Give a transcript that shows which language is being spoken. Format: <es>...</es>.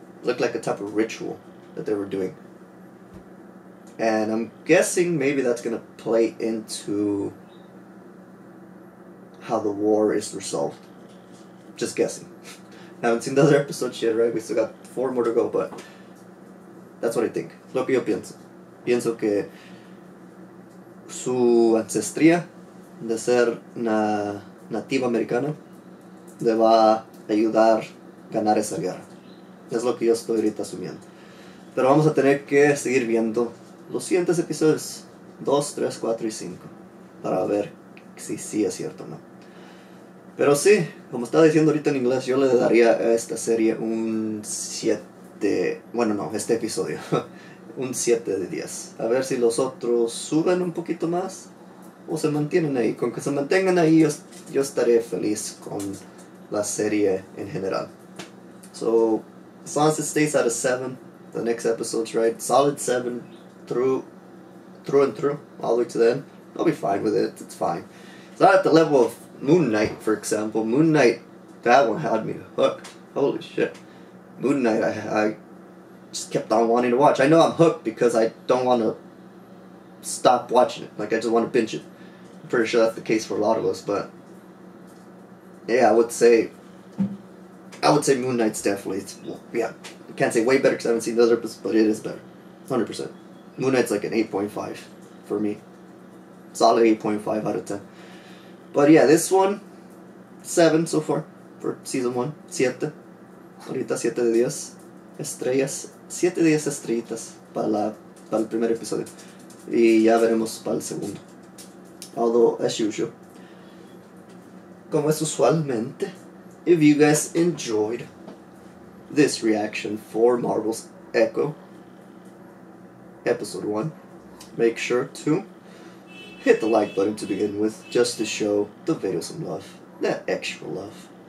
<en>It looked like a type of ritual that they were doing. And I'm guessing maybe that's going to play into how the war is resolved. Just guessing. I haven't seen the other episodes yet, right? We still got 4 more to go, but that's what I think.</en> <es>Lo que yo pienso. Pienso que su ancestría de ser una nativa americana le va a ayudar a ganar esa guerra. Es lo que yo estoy ahorita asumiendo. Pero vamos a tener que seguir viendo los siguientes episodios, 2, 3, 4 y 5, para ver si sí es cierto o no. Pero sí, como estaba diciendo ahorita en inglés, yo le daría a esta serie un 7, bueno, no, este episodio, un 7 de 10. A ver si los otros suben un poquito más o se mantienen ahí. Con que se mantengan ahí, yo estaré feliz con la serie en general.</es> <en>So, as long as it stays at a 7, the next episode's right, solid 7, through and through, all the way to the end, I'll be fine with it, it's fine. It's not at the level of Moon Knight, for example. Moon Knight, that one had me hooked. Holy shit. Moon Knight, I just kept on wanting to watch. I know I'm hooked because I don't want to stop watching it. Like, I just want to binge it. I'm pretty sure that's the case for a lot of us, but yeah, I would say Moon Knight's definitely, I can't say way better because I haven't seen the other episodes, but it is better, 100%. Moon Knight's like an 8.5 for me, solid 8.5 out of 10. But yeah, this one, 7 so far for season 1, 7.</en> <es>Ahorita 7 de 10 estrellas, 7 de 10 estrellitas para el primer episodio. Y ya veremos para el segundo.</es> <en>Although, as usual,</en> <es>como es usualmente,</es> <en>if you guys enjoyed this reaction for Marvel's Echo episode 1, make sure to hit the like button to begin with, just to show the video some love, that extra love.</en>